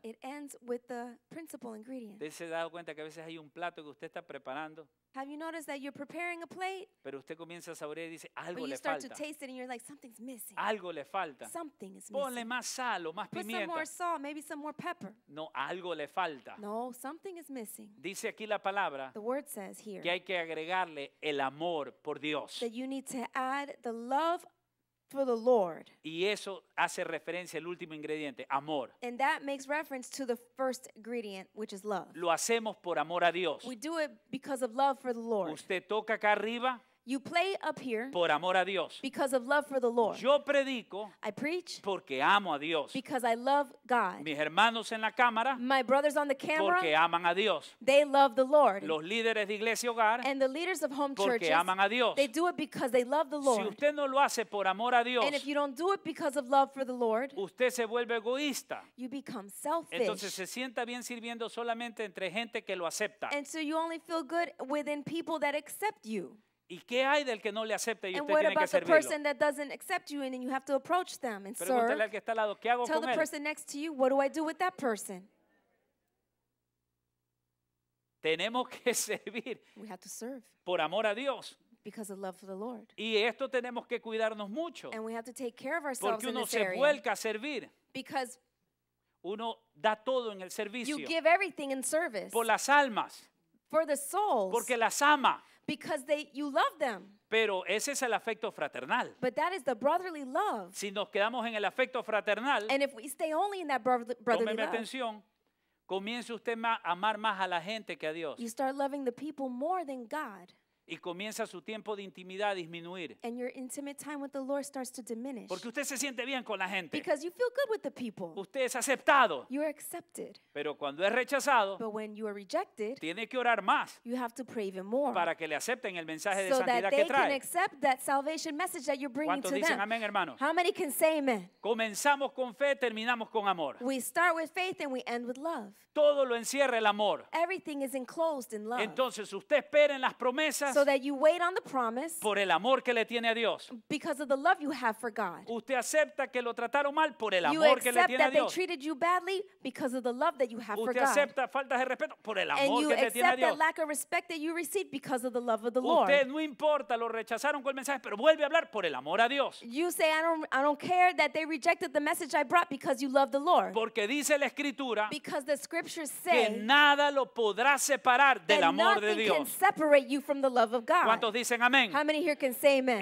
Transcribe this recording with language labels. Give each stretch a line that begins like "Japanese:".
English: It ends with the principal ingredient.
Spanish: ¿Se da cuenta que a veces hay un plato que usted está preparando?
English: Have you noticed that you're preparing a plate?
Spanish: Pero usted comienza a saborear y dice, algo le falta.
English: But you start to taste it and you're like, something's missing.
Spanish: Algo le falta.
English: Something is missing.
Spanish: Ponle más sal o más pimienta.
English: Put some more salt, maybe some more pepper.
Spanish: No, algo le falta.
English: No, something is missing.
Spanish: Dice aquí la palabra.
English: The word says here.
Spanish: Que hay que agregarle el amor por Dios.
English: That you need to add the love for the Lord.
Spanish: Y eso hace referencia al último ingrediente, amor.
English: And that makes reference to the first ingredient, which is love.
Spanish: Lo hacemos por amor a Dios.
English: We do it because of love for the Lord.
Spanish: Usted toca acá arriba.
English: You play up here.
Spanish: Por amor a Dios.
English: Because of love for the Lord.
Spanish: Yo predico.
English: I preach.
Spanish: Porque amo a Dios.
English: Because I love God.
Spanish: Mis hermanos en la cámara.
English: My brothers on the camera.
Spanish: Porque aman a Dios.
English: They love the Lord.
Spanish: Los líderes de iglesia hogar.
English: And the leaders of home
Spanish: porque
English: churches.
Spanish: Porque aman a Dios.
English: They do it because they love the Lord.
Spanish: Si usted no lo hace por amor a Dios.
English: And if you don't do it because of love for the Lord.
Spanish: Usted se vuelve egoísta.
English: You become selfish.
Spanish: Entonces se sienta bien sirviendo solamente entre gente que lo acepta.
English: And so you only feel good within people that accept you.
Spanish: ¿Y qué hay del que no le acepta y
English: and
Spanish: usted tiene que servirlo?
English: Person that doesn't accept you and you have to approach them and serve.
Spanish: Pregúntale al que está al lado, ¿qué hago con él?
English: Tell the person next to you, what do I do with that person?
Spanish: Tenemos que servir.
English: We have to serve.
Spanish: Por amor a Dios.
English: Because of love for the Lord.
Spanish: Y esto tenemos que cuidarnos mucho.
English: And we have to take care of ourselves.
Spanish: Porque uno se vuelca a servir.
English: Because
Spanish: uno da todo en el servicio.
English: You give everything in service.
Spanish: Por las almas.
English: For the souls.
Spanish: Porque las ama.
English: Because you love them.
Spanish: Pero ese es el afecto fraternal.
English: But that is the brotherly love.
Spanish: Si nos quedamos en el afecto fraternal.
English: And if we stay only in that brotherly love.
Spanish: Tómeme atención. Comienza usted a amar más a la gente que a Dios.
English: You start loving the people more than God.
Spanish: Y comienza su tiempo de intimidad a disminuir.
English: And your intimate time with the Lord starts to diminish.
Spanish: Porque usted se siente bien con la gente.
English: Because you feel good with the people.
Spanish: Usted es aceptado.
English: You are accepted.
Spanish: Pero cuando es rechazado.
English: But when you are rejected.
Spanish: Tiene que orar más.
English: You have to pray even more.
Spanish: Para que le acepten el mensaje
English: so
Spanish: de santidad que trae.
English: So that they can accept that salvation message that you're bringing to them.
Spanish: ¿Cuántos dicen amén, hermano?
English: How many can say amen?
Spanish: Comenzamos con fe, terminamos con amor.
English: We start with faith and we end with love.
Spanish: Todo lo encierra el amor.
English: Everything is enclosed in love.
Spanish: Entonces usted espera en las promesas.
English: So that you wait on the promise.
Spanish: Por el amor que le tiene a Dios.
English: Because of the love you have for God.
Spanish: Usted acepta que lo trataron mal por el amor que le tiene a Dios.
English: You accept that they treated you badly because of the love that you have for God.
Spanish: Usted acepta faltas de respeto por el amor que le tiene a Dios.
English: And you accept that lack of respect that you received because of the love of the Lord.
Spanish: Usted no importa lo rechazaron con el mensaje, pero vuelve a hablar por el amor a Dios.
English: You say I don't care that they rejected the message I brought because you love the Lord.
Spanish: Porque dice la escritura.
English: Because the scriptures say.
Spanish: Que nada lo podrá separar del amor de Dios.
English: That nothing can separate you from the love of God.
Spanish: ¿Cuántos dicen amén?
English: How many here can say amen?